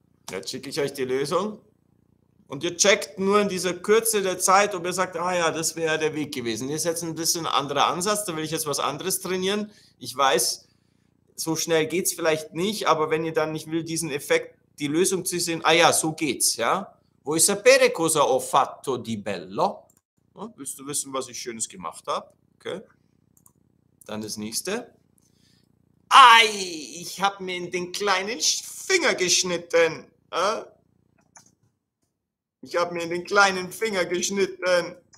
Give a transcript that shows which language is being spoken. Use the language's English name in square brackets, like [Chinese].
[German] Jetzt schicke ich euch die Lösung. Und ihr checkt nur in dieser Kürze der Zeit, ob ihr sagt, ah ja, das wäre der Weg gewesen. Ihr setzt ein bisschen anderer Ansatz, da will ich jetzt was anderes trainieren. Ich weiß, so schnell geht es vielleicht nicht, aber wenn ihr dann nicht will, diesen Effekt, die Lösung zu sehen, ah ja, so geht's, ja. [Italian] Vuoi sapere cosa ho fatto di bello? [German] Willst du wissen, was ich Schönes gemacht habe? Okay. Dann das nächste. Ei, ich habe mir in den kleinen Finger geschnitten. Ich habe mir in den kleinen Finger geschnitten.